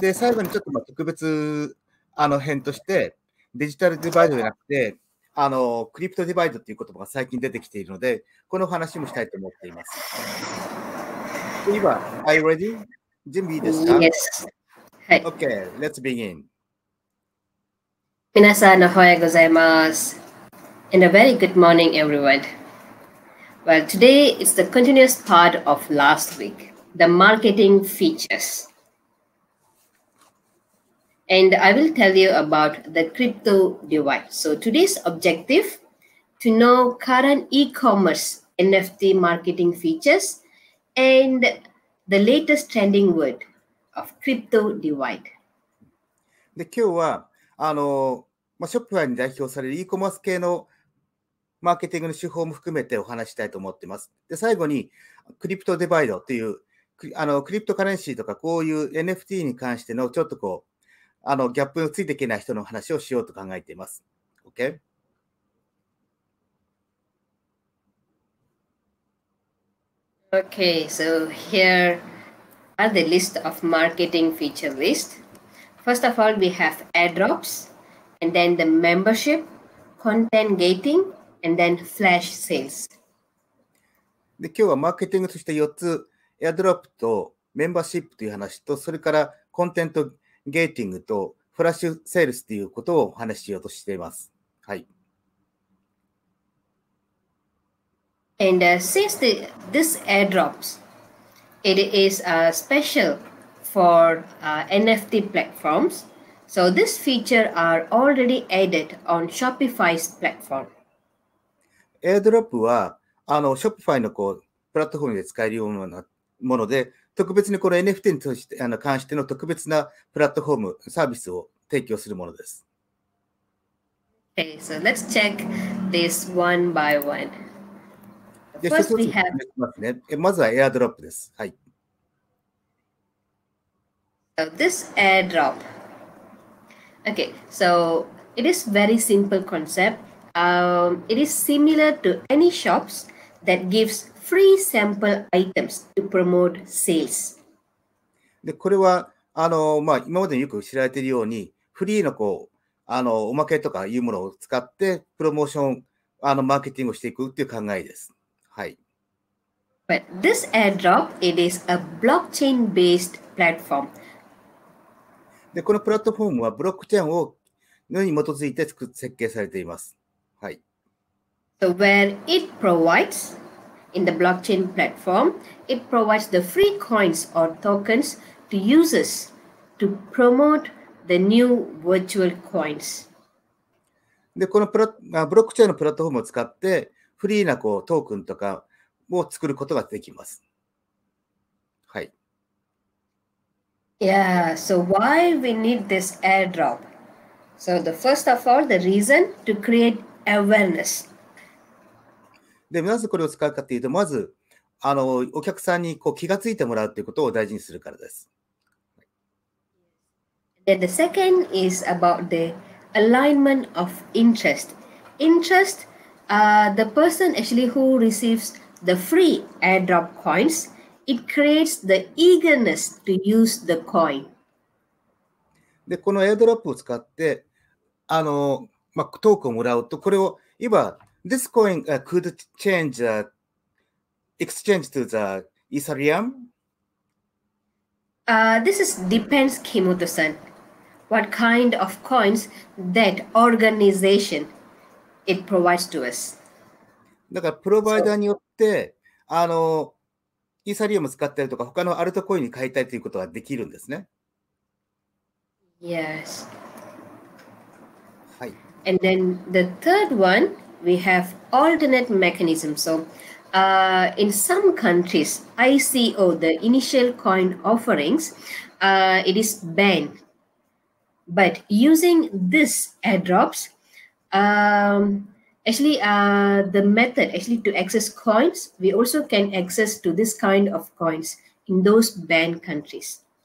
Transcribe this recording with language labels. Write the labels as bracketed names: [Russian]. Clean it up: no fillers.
[Japanese] で、最後にちょっと特別辺としてデジタルディバイドじゃなくてクリプトディバイドという言葉が最近出てきているのでこの話もしたいと思っています。今、 [English] Are you ready? [Japanese] 準備いいですか? [English] Yes. はい。Okay, let's begin. [Japanese] 皆さんおはようございます。 [English] And a very good morning, everyone. Well, today is the continuous part of last week, the marketing features. And I will tell you about the crypto divide. So today's objective, to know current e-commerce NFT marketing features and the latest trending word of crypto divide. [Japanese] で今日はショップに代表される e-commerce 系のマーケティングの手法も含めてお話したいと思っています。で最後にクリプトディバイドというクリプトカレンシーとかこういう NFT に関してのちょっとこうギャップについていけない人の話をしようと考えています。 [English] OK? OK, so here are the list of marketing feature list. First of all, we have airdrops, and then the membership, content gating, and then flash sales. [Japanese] で今日はマーケティングとして4つ、airdrop とメンバーシップという話と、それからコンテントゲーティングとフラッシュセールスということをお話しようとしています。はい。 [English] And since this airdrops, it is special for NFT platforms. So this feature are already added on Shopify's platform. [Japanese] Airdrop はShopify のこうプラットフォームで使えるようなもので。特別にこの NFT に関しての特別なプラットフォーム、サービスを提供するものです。 [English] Okay, so let's check this one by one. First, we have... [Japanese] まずは AirDrop です。はい。 [English] So, this AirDrop. Okay, so it is very simple concept. It is similar to any shops that gives... free sample items to promote sales. [Japanese] で、これは、今までによく知られているように、フリーのこう、おまけとかいうものを使って、プロモーション、マーケティングをしていくっていう考えです。はい。 [English] But this airdrop, it is a blockchain-based platform. [Japanese] で、このプラットフォームはブロックチェーンをのに基づいて設計されています。はい。 [English] So where it provides... In the blockchain platform, it provides the free coins or tokens to users to promote the new virtual coins. [Japanese] で、このブロックチェーンのプラットフォームを使って、フリーなこうトークンとかを作ることができます。はい。 [English] Yeah, so why we need this airdrop? So the first of all, the reason to create awareness. [Japanese] でなぜこれを使うかというと、まずお客さんにこう気がついてもらうということを大事にするからです。 [English] Then the second is about the alignment of interest. Interest, the person actually who receives the free airdrop coins, it creates the eagerness to use the coin. [Japanese] で、このAirdropを使って、トークをもらうと、これを今、 [English] This coin could change exchange to the Ethereum? This is depends, Kimoto-san. what kind of coins that organization it provides to us. [Japanese] だからプロバイダーによって、あのイーサリアム使ったりとか他のアルトコインに変えたいということはできるんですね。 [English] Yes. [Japanese] はい。 [English] And then the third one, we have alternate mechanism. So, in some countries, ICO, the initial coin offerings, it is banned. But using this airdrops, actually, the method actually to access coins, we also can access to this kind of coins in those banned countries.